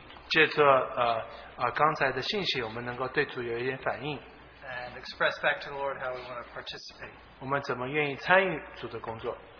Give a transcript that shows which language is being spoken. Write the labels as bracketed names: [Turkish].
[Chinese] 借着刚才的信息我们能够对主有一点反应, [English] and express back to the Lord how we want to participate. [Chinese] 我们怎么愿意参与主的工作。